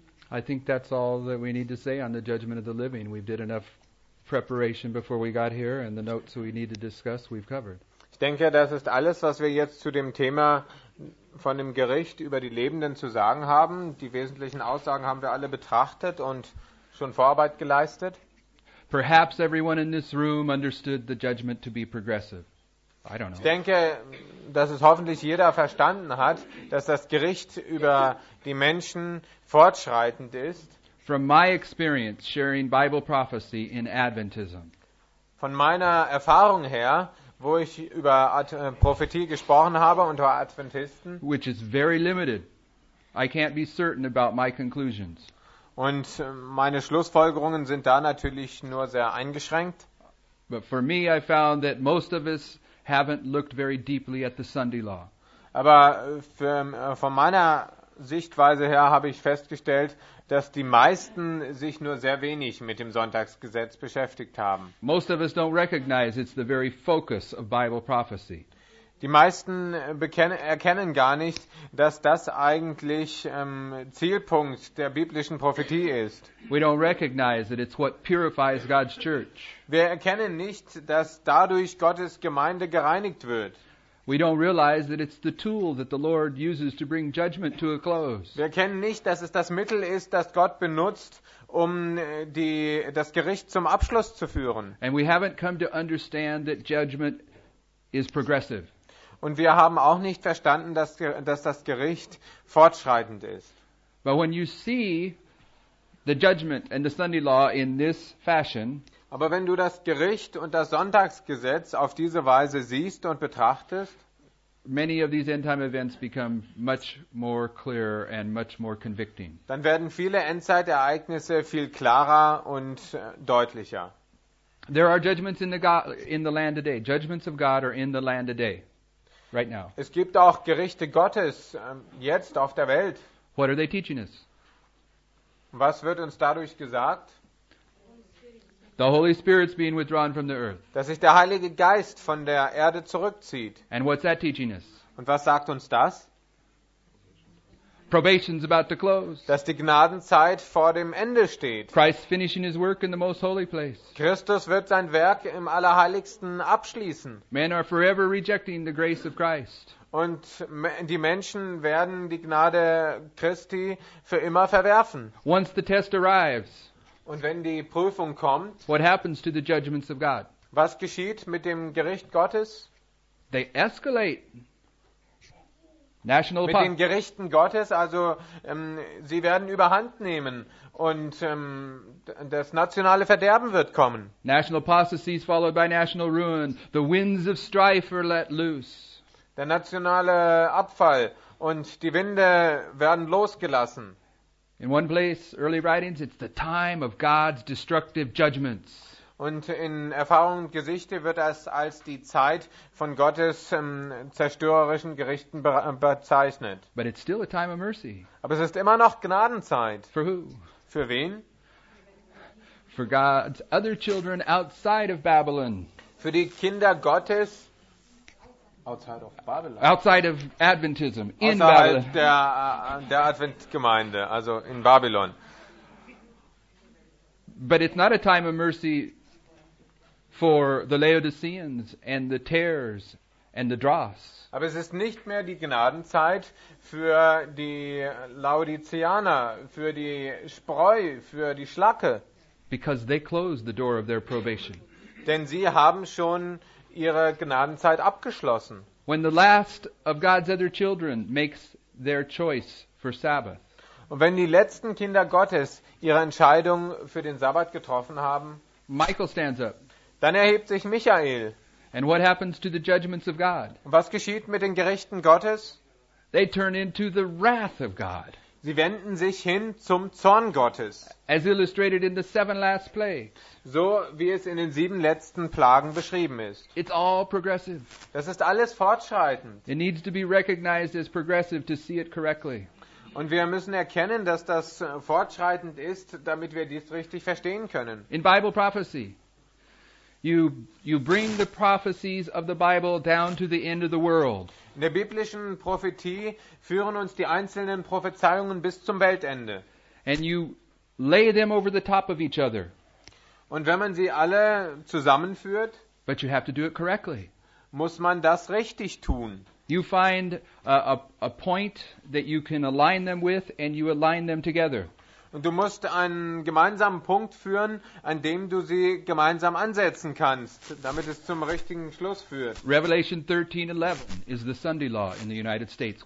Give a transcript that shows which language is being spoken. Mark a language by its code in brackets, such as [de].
[en] I think that's all that we need to say on the judgment of the living. We've did enough preparation before we got here, and the notes we need to discuss, we've covered. [de] Ich denke, das ist alles, was wir jetzt zu dem Thema von dem Gericht über die Lebenden zu sagen haben. Die wesentlichen Aussagen haben wir alle betrachtet und schon Vorarbeit geleistet. [en] Perhaps everyone in this room understood the judgment to be progressive. I don't know. [de] Ich denke, dass es hoffentlich jeder verstanden hat, dass das Gericht über die Menschen fortschreitend ist. [en] From my experience sharing Bible prophecy in Adventism. [de] Von meiner Erfahrung her, wo ich über Prophetie gesprochen habe unter Adventisten, [en] which is very limited. I can't be certain about my conclusions. [de] Und meine Schlussfolgerungen sind da natürlich nur sehr eingeschränkt. [en] But for me, I found that most of us haven't looked very deeply at the Sunday law. [de] Aber von meiner Sichtweise her habe ich festgestellt, dass die meisten sich nur sehr wenig mit dem Sonntagsgesetz beschäftigt haben. [en] Most of us don't recognize it's the very focus of Bible prophecy. [de] Die meisten erkennen gar nicht, dass das eigentlich Zielpunkt der biblischen Prophetie ist. [en] We don't recognize that it's what purifies God's church. [de] Wir erkennen nicht, dass dadurch Gottes Gemeinde gereinigt wird. [en] We don't realize that it's the tool that the Lord uses to bring judgment to a close. [de] Wir erkennen nicht, dass es das Mittel ist, das Gott benutzt, um das Gericht zum Abschluss zu führen. [en] And we haven't come to understand that judgment is progressive. [de] Und wir haben auch nicht verstanden, dass das Gericht fortschreitend ist. [en] But when you see the judgment and the Sunday law in this fashion, [de] aber wenn du das Gericht und das Sonntagsgesetz auf diese Weise siehst und betrachtest, [en] many of these end-time events become much more clear and much more convicting. [de] Dann werden viele Endzeitereignisse viel klarer und deutlicher. [en] There are judgments in the land today. Judgments of God are in the land today. Right now. [de] Es gibt auch Gerichte Gottes jetzt auf der Welt. [en] What are they teaching us? [de] Was wird uns dadurch gesagt? [en] The Holy Spirit's being withdrawn from the earth. [de] Dass sich der Heilige Geist von der Erde zurückzieht. [en] And what's that teaching us? [de] Und was sagt uns das? [en] Probation's about to close. [de] Dass die Gnadenzeit vor dem Ende steht. [en] Christ's finishing his work in the most holy place. [de] Christus wird sein Werk im Allerheiligsten abschließen. [en] Men are forever rejecting the grace of Christ. [de] Und die Menschen werden die Gnade Christi für immer verwerfen. [en] Once the test arrives. [de] Und wenn die Prüfung kommt. [en] What happens to the judgments of God? [de] Was geschieht mit dem Gericht Gottes? [en] They escalate. [de] Mit den Gerichten Gottes, also sie werden überhand nehmen und das nationale Verderben wird kommen. [en] National apostasy is followed by national ruin. The winds of strife are let loose. [de] Der nationale Abfall und die Winde werden losgelassen. [en] In one place, early writings, it's the time of God's destructive judgments. [de] Und in Erfahrung und Geschichte wird es als die Zeit von Gottes zerstörerischen Gerichten bezeichnet. [en] But it's still a time of mercy. [de] Aber es ist immer noch Gnadenzeit. [en] For who? [de] Für wen? [en] For God's other children outside of Babylon. [de] Für die Kinder Gottes [en] Outside of Babylon. Outside of Adventism. In [de] Außerhalb Babylon. Der Adventgemeinde, also in Babylon. [en] But it's not a time of mercy for the Laodiceans and the tares and the dross. [de] Aber es ist nicht mehr die Gnadenzeit für die Laodiceaner, für die Spreu, für die Schlacke. [en] Because they closed the door of their probation. [de] Denn sie haben schon ihre Gnadenzeit abgeschlossen. [en] When the last of God's other children makes their choice for Sabbath. [de] Und wenn die letzten Kinder Gottes ihre Entscheidung für den Sabbat getroffen haben, [en] Michael stands up. [de] Dann erhebt sich Michael. [en] And what happens to the judgments of God? [de] Und was geschieht mit den Gerichten Gottes? [en] They turn into the wrath of God. [de] Sie wenden sich hin zum Zorn Gottes. [en] As illustrated in the seven last plagues. [de] So wie es in den sieben letzten Plagen beschrieben ist. [en] It's all progressive. [de] Das ist alles fortschreitend. [en] It needs to be recognized as progressive to see it correctly. [de] Und wir müssen erkennen, dass das fortschreitend ist, damit wir dies richtig verstehen können. [en] In Bible prophecy. You bring the prophecies of the Bible down to the end of the world. [de] In der biblischen Prophetie führen uns die einzelnen Prophezeiungen bis zum Weltende. [en] And you lay them over the top of each other. [de] Und wenn man sie alle zusammenführt, [en] but you have to do it correctly. [de] Muss man das richtig tun. [en] You find a point that you can align them with and you align them together. [de] Und du musst einen gemeinsamen Punkt führen, an dem du sie gemeinsam ansetzen kannst, damit es zum richtigen Schluss führt. [en] Revelation 13:11 is the Sunday law in the United States.